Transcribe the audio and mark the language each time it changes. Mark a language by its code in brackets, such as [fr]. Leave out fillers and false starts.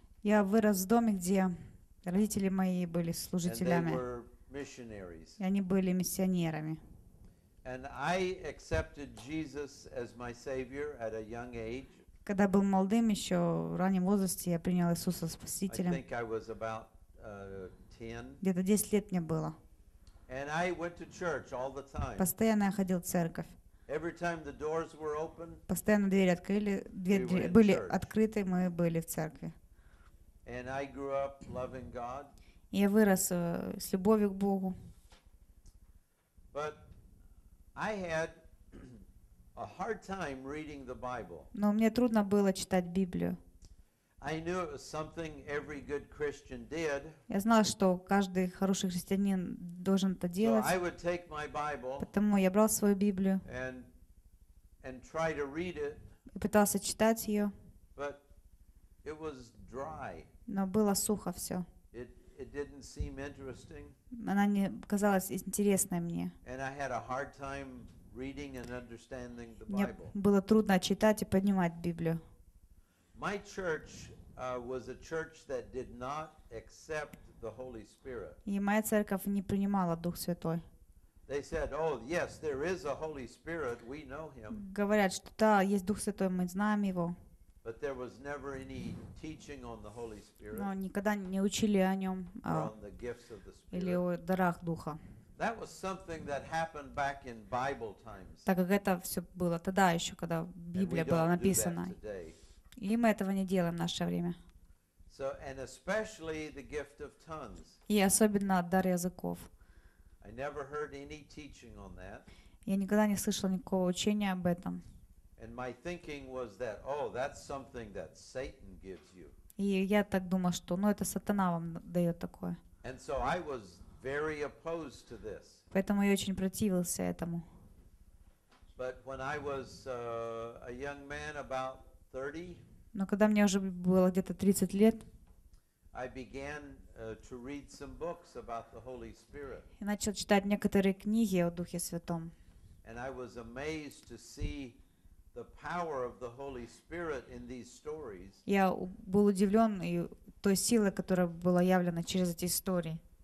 [ru] Я вырос в доме, где родители мои были служителями. [en] And they were missionaries. [ru] И они были миссионерами. [en] And I accepted Jesus as my savior at a young age. [ru] Когда был молодым еще в раннем возрасте, я принял Иисуса спасителем. [en] I think I was about 10. [ru] Где-то 10 лет мне было. [en] And I went to church all the time. [ru] Постоянно я ходил в церковь. [en] Every time the doors were open, [ru] постоянно двери открыли, двери были открыты, мы были в церкви. [en] And I grew up loving God. [ru] Я вырос с любовью к Богу. [en] But I had a hard time reading the Bible. [ru] Но мне трудно было читать Библию. [en] I knew it was something every good Christian did. [ru] Я знал, что каждый хороший христианин должен это делать. [en] So I would take my Bible. [ru] Поэтому я брал свою Библию. [en] And and try to read it, [ru] и пытался читать ее, [en] but it was dry. [ru] Но было сухо все. [en] It didn't seem interesting. [ru] Она не казалась интересной мне. [en] And I had a hard time reading and understanding the [ru] Мне [en] Bible. [ru] Было трудно читать и понимать Библию. [en] My church was a church that did not accept the Holy Spirit. [ru] И моя церковь не принимала Дух Святой. [en] They said, "Oh, yes, there is a Holy Spirit. We know Him." [ru] Говорят, что да, есть Дух Святой, мы знаем его. [en] But there was never any teaching on the Holy Spirit. [ru] Но никогда не учили о нем. [en] On the gifts of the Spirit. [ru] Или о дарах Духа. [en] That was something that happened back in Bible times. [ru] Так как это все было тогда еще, когда Библия была написана. [en] And we don't do that today. [ru] И мы этого не делаем в наше время. [en] So, and especially the gift of tongues. [ru] И особенно дар языков. [en] I never heard any teaching on that. [ru] Я никогда не слышал никакого учения об этом. [en] And my thinking was that, oh, that's something that Satan gives you. [ru] И я так думал, что, ну, это сатана вам дает такое. [en] And so I was very opposed to this. [ru] Поэтому я очень противился этому. [en] But when I was a young man about 30, [ru] но когда мне уже было где-то 30 лет, [en] I began, to read some books about the Holy Spirit. [ru] Я начал читать некоторые книги о Духе Святом. [en] And I was amazed to see the power of the Holy Spirit in these stories. [ru] Я был удивлен той силой, которая была явлена через эти истории.